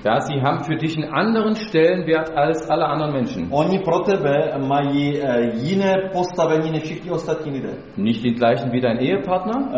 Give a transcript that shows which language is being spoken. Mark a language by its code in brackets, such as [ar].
[de] Ja, sie haben für dich einen anderen Stellenwert als alle anderen Menschen. [cs] Oni pro tebe mají jiné postavení než všichni ostatní lidé. [de] Nicht den gleichen wie dein Ehepartner.